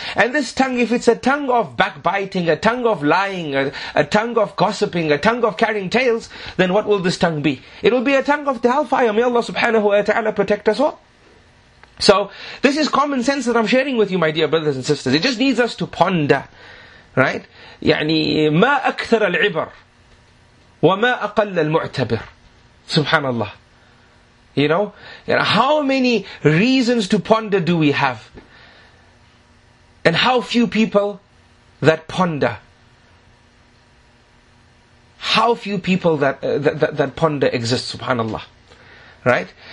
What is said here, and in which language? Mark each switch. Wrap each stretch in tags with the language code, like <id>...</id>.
<en>And this tongue, if it's a tongue of backbiting, a tongue of lying, a tongue of gossiping, a tongue of carrying tales, then what will this tongue be? It will be a tongue of the hellfire. May Allah subhanahu wa ta'ala protect us all. So this is common sense that I'm sharing with you, my dear brothers and sisters. It just needs us to ponder. Right?</en> <ar>يعني ما أكثر العبر وما أقل المعتبر. سبحان الله.</ar> <en>You know, how many reasons to ponder do we have? And how few people that ponder? How few people that ponder exist?</en> <ar>سبحان الله.</ar> <en>Right?</en>